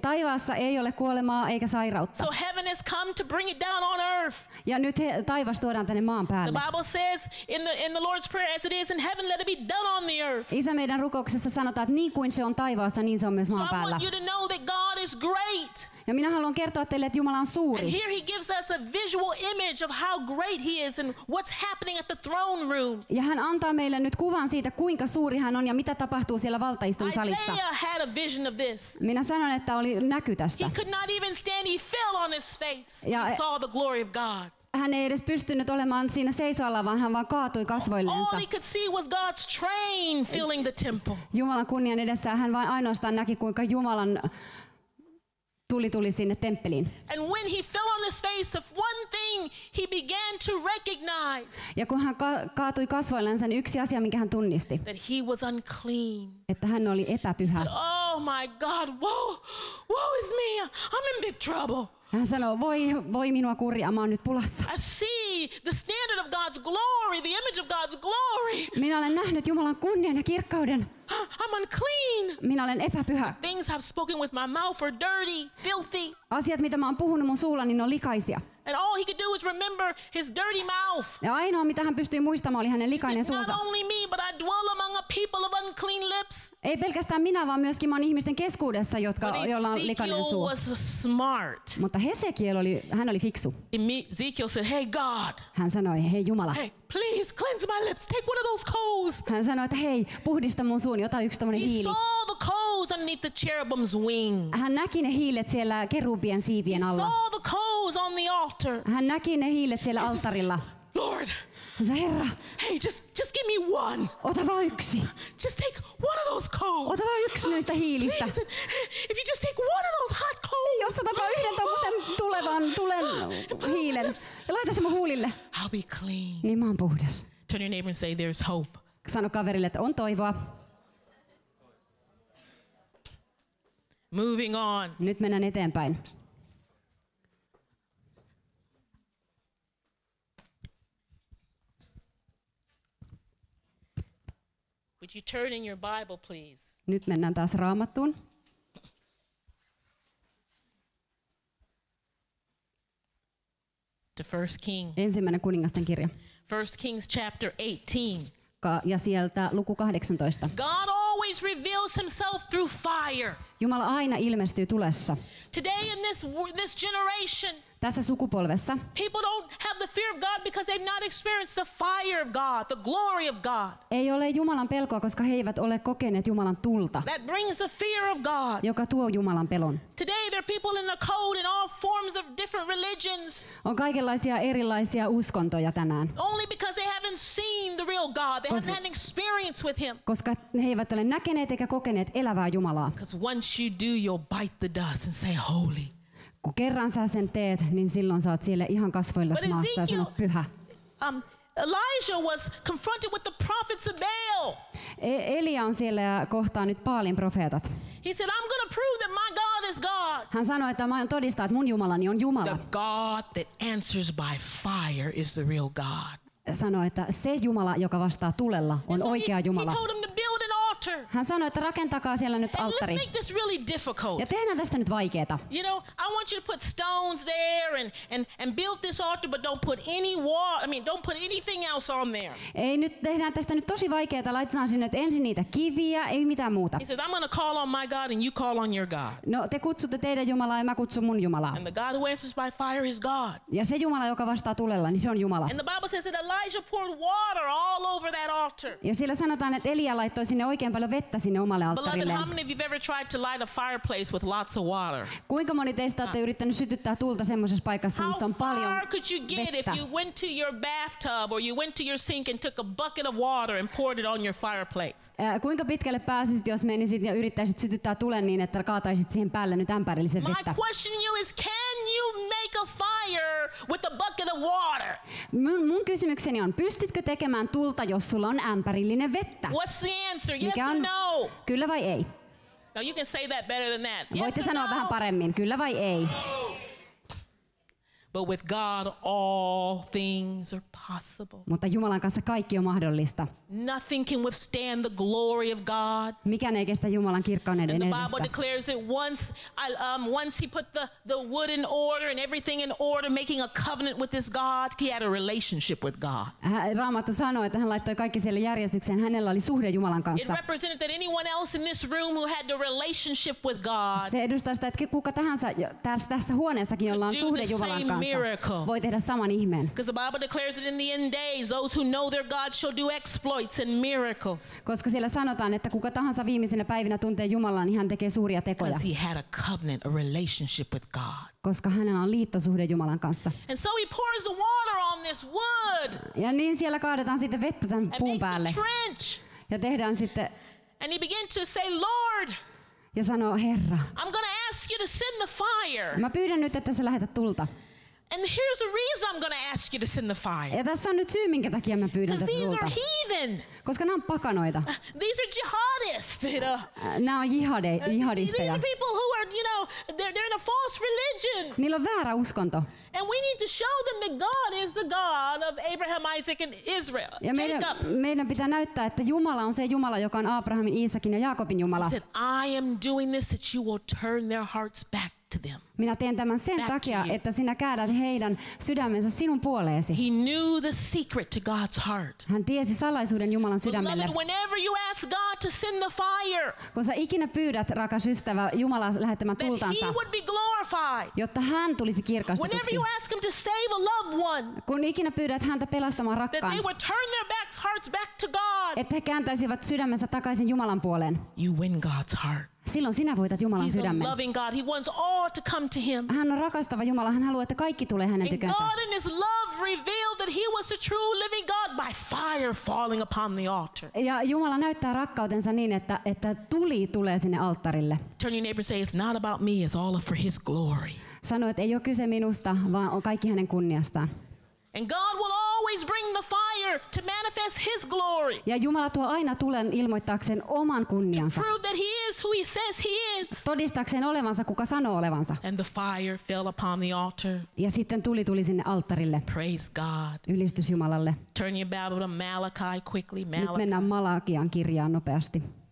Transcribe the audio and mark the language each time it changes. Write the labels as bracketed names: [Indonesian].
[Finnish] taivaassa ei ole kuolemaa eikä sairautta. [English] So heaven has come to bring it down on earth. [Finnish] Ja nyt taivas tuodaan tänne maan päälle. [English] The Bible says in the Lord's prayer, as it is in heaven, let it be done on the earth. [Finnish] Isä meidän rukouksessa sanotaan, että niin kuin se on taivaassa, niin se on myös maan päällä. [English] So I want you to know that God is great. [Finnish] Ja minä haluan kertoa teille, että Jumala on suuri. [English] And here he gives us a visual image of how great he is and what's happening at the throne room. [Finnish] Ja hän antaa meille nyt kuvan siitä, kuinka suuri hän on ja mitä tapahtuu siellä valtaistun salissa. [English] Isaiah had a vision of this. [Finnish] Minä sanon, että oli näky tästä. [English] He could not even stand, he fell on his face. Ja he saw the glory of God. [Finnish] Hän ei edes pystynyt olemaan siinä seisoalla, vaan hän vaan kaatui kasvoillensa. [English] All he could see was God's train filling the temple. [Finnish] Jumalan kunnian edessä hän vain ainoastaan näki, kuinka Jumalan tuli sinne temppeliin. [English] And when he fell on his face, of one thing he began to recognize. [Finnish] Ja kun hän kaatui kasvoillensa, niin yksi asia, minkä hän tunnisti. [English] That he was unclean. [Finnish] Että hän oli epäpyhä. [English] He said, oh my God, woe is me, I'm in big trouble. [Finnish] Hän sanoo, voi minua kurja, mä oon nyt pulassa. [English] I see the standard of God's glory, the image of God's glory. [Finnish] Minä olen nähnyt Jumalan kunnian ja kirkkauden. [English] I'm unclean. [Finnish] Minä olen epäpyhä. [English] Things I've spoken with my mouth are dirty, filthy. [Finnish] Asiat, mitä mä oon puhunut mun suulla, niin on likaisia. [English] And all he could do was remember his dirty mouth. [Finnish] Ja ainoa, mitä hän pystyi muistamaan, oli hänen likainen suunsa. [English] Not only me, but I dwell among a people of unclean lips. [Finnish] Ei pelkästään minä, vaan myöskin mä oon ihmisten keskuudessa, joilla on likainen suu. [English] But Ezekiel was smart. [Finnish] Mutta Hesekiel oli, hän oli fiksu. [English] Ezekiel said, hey God. [Finnish] Hän sanoi, hei Jumala. [English] Hey, please cleanse my lips. Take one of those coals. [Finnish] Hän sanoi, että hei, puhdista mun suuni, ota yksi tämmönen hiili. [English] He saw the coals underneath the cherubim's wing. [Finnish] Hän näki ne hiilet siellä kerubien siivien alla. [English] He saw the coals on the altar. [Finnish] Hän näki ne hiilet siellä altarilla. [English] Lord. [Finnish] Herra. [English] Hey, just give me one. [Finnish] Ota vaan yksi. [English] Just take one of those coals. [Finnish] Ota vaan yksi noista hiilistä. [English] If you just take one of those hot coals. [Finnish] Jos otat vaan yhden tommosen tulen hiilen. Ja laita se mun huulille. [English] I'll be clean. [Finnish] Niin mä oon puhdas. [English] Turn your neighbor and say there's hope. [Finnish] Sano kaverille, että on toivoa. [English] Moving on. [Finnish] Nyt mennään eteenpäin. [English] Would you turn in your Bible, please? [Finnish] Nyt mennään taas Raamattuun. [English] To First Kings. [Finnish] Ensimmäinen kuningasten kirja. [English] First Kings chapter 18. [Finnish] Ja sieltä luku 18. [English] God always reveals himself through fire. [Finnish] Jumala aina ilmestyy tulessa. [English] Today in this generation. [Finnish] Tässä sukupolvessa. [English] People don't have the fear of God because they've not experienced the fire of God, the glory of God. [Finnish] Ei ole Jumalan pelkoa, koska he eivät ole kokeneet Jumalan tulta. [English] That brings the fear of God. [Finnish] Joka tuo Jumalan pelon. [English] Today there are people in the cold in all forms of different religions. [Finnish] On kaikenlaisia erilaisia uskontoja tänään. [English] Only because they haven't seen the real God. They haven't had an experience with him. [Finnish] Koska he eivät ole näkeneet eikä kokeneet elävää Jumalaa. [English] Because once you do, you'll bite the dust and say holy. [Finnish] Kun kerran sä sen teet, niin silloin sä oot siellä ihan kasvoilla maassa ja sanot pyhä. [English] Elijah was confronted with the prophets of Baal. [Finnish] Elia on siellä ja kohtaa nyt Baalin profeetat. [English] He said, I'm going to prove that my God is God. [Finnish] Hän sanoi, että mä todistan, että mun Jumalani on Jumala. [English] The God that answers by fire is the real God. [Finnish] Sanoi, että se Jumala, joka vastaa tulella, on [English] so [Finnish] oikea Jumala. Hän sanoi, että rakentakaa siellä nyt alttari. [English] Really [Finnish] ja tehdään tästä nyt vaikeeta. [English] You know, I want you to put stones there and build this altar, but don't put any water. I mean, don't put anything else on there. [Finnish] Ei nyt tehdään tästä nyt tosi vaikeeta. Laitetaan sinne nyt ensin niitä kiviä, ei mitään muuta. [English] He says, I'm going to call on my God and you call on your God. [Finnish] No, te kutsutte teidän Jumalaa ja mä kutsun mun Jumalaa. [English] And the God who answers by fire is God. [Finnish] Ja se Jumala, joka vastaa tulella, niin se on Jumala. [English] And the Bible says that Elijah poured water all over that altar. [Finnish] Ja siellä sanotaan, että Elia laittoi sinne oikein paljon vettä sinne omalle alttarille. [English] How many of you have ever tried to light a fireplace with lots of water? [Finnish] Kuinka moni teistä olette yrittänyt sytyttää tulta semmoisessa paikassa, missä on paljon vettä? [English] How far could you get if you went to your bathtub or you went to your sink and took a bucket of water and poured it on your fireplace? [Finnish] Kuinka pitkälle pääsisit, jos menisit ja yrittäisit sytyttää tulen niin, että kaataisit siihen päälle nyt ämpärillisen vettä? [English] My question to you is, can you make a fire with a bucket of water? [Finnish] Mun kysymykseni on, pystytkö tekemään tulta, jos sulla on ämpärillinen vettä? [English] What's the answer? [Finnish] Kyllä vai ei? [English] No, you can say that better than that. [Finnish] Voitte [English] yes [Finnish] sanoa [English] no? [Finnish] Vähän paremmin. Kyllä vai ei? [English] But with God all things are possible. [Finnish] Mutta Jumalan kanssa kaikki on mahdollista. [English] Nothing can withstand the glory of God. [Finnish] Mikään ei kestä Jumalan kirkkauden edessä. [English] And the Bible declares it once once he put the wood in order and everything in order, making a covenant with his God, he had a relationship with God. [Finnish] Raamattu sanoo, että hän laittoi kaikki siellä järjestykseen. Hänellä oli suhde Jumalan kanssa. [English] It represented that anyone else in this room who had the relationship with God. [Finnish] Se edustaa sitä, että kuka tahansa tässä huoneessakin, jolla on suhde Jumalan kanssa, voi tehdä saman ihmeen. [English] Because the Bible declares it in the end days, those who know their God shall do exploits and miracles. [Finnish] Koska siellä sanotaan, että kuka tahansa viimeisenä päivinä tuntee Jumalan, niin hän tekee suuria tekoja. [English] Because he had a covenant, a relationship with God. [Finnish] Koska hänellä on liittosuhde Jumalan kanssa. [English] And so he pours the water on this wood. [Finnish] Ja niin siellä kaadetaan sitten vettä tämän puun päälle. [English] And makes a trench. [Finnish] Ja tehdään sitten. [English] And he began to say, Lord. [Finnish] Ja sanoo, Herra. [English] I'm gonna ask you to send the fire. [Finnish] Mä pyydän nyt, että sä lähetät tulta. [English] And here's a reason I'm going to ask you to send the fire. [Finnish] Ja tässä on nyt syy, minkä takia mä pyydän tätä tulta. [English] These are heathen. [Finnish] Koska nämä on pakanoita. [English] These are jihadists, you know. [Finnish] Nämä on jihadisteja. [English] These are people who are, you know, they're in a false religion. [Finnish] Niillä on väärä uskonto. [English] And we need to show them that God is the God of Abraham, Isaac and Israel. [Finnish] Ja meidän pitää näyttää, että Jumala on se Jumala, joka on Abrahamin, Iisakin ja Jaakobin Jumala. [English] He said, I am doing this that you will turn their hearts back. [Finnish] Minä teen tämän sen takia, että sinä käädät heidän sydämensä sinun puoleesi. [English] He knew the secret to God's heart. [Finnish] Hän tiesi salaisuuden Jumalan sydämelle. [English] Whenever you ask God to send the fire, [Finnish] kun sä ikinä pyydät, rakas ystävä, Jumalaa lähettämään tultansa, [English] he would be glorified. [Finnish] Jotta hän tulisi kirkastetuksi. [English] Whenever you ask him to save a loved one, [Finnish] kun ikinä pyydät häntä pelastamaan rakkaan, [English] they would turn their hearts back to God. [Finnish] Että he kääntäisivät sydämensä takaisin Jumalan puoleen. [English] You win God's heart. [Finnish] Silloin sinä voitat Jumalan sydämen. [English] He's a loving God. He wants all to come to him. [Finnish] Hän on rakastava Jumala. Hän haluaa, että kaikki tulee hänen tykönsä. [English] God in his love revealed that he was the true living God by fire falling upon the altar. [Finnish] Ja Jumala näyttää rakkautensa niin, että tuli tulee sinne alttarille. [English] Turn your neighbor and say, it's not about me, it's all for his glory. [Finnish] Sano, että ei ole kyse minusta, vaan on kaikki hänen kunniastaan. [English] And God will always bring the fire to manifest his glory. [Finnish] Ja Jumala tuo aina tulen ilmoittaakseen oman kunniansa. [English] To prove that he is who he says he is. [Finnish] Todistakseen olevansa kuka sanoo olevansa. [English] And the fire fell upon the altar. [Finnish] Ja sitten tuli sinne alttarille. [English] Praise God. [Finnish] Ylistys Jumalalle. [English] Turn your Bible to Malachi quickly. [Finnish] Nyt mennään Malakian kirjaan nopeasti.